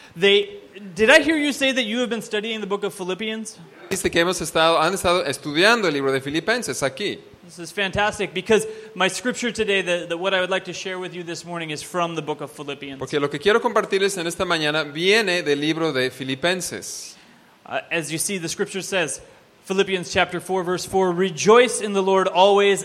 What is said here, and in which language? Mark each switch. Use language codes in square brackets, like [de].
[en] Did I hear you say that you have been studying the book of Philippians? [es] Dice que han estado estudiando el libro de Filipenses aquí. [en] This is fantastic because my scripture today, the what I would like to share with you this morning is from the book of Philippians. [es] Porque lo que quiero compartirles en esta mañana viene del libro de Filipenses. [en] As you see, the scripture says, Philippians chapter 4, verse 4, rejoice in the Lord always.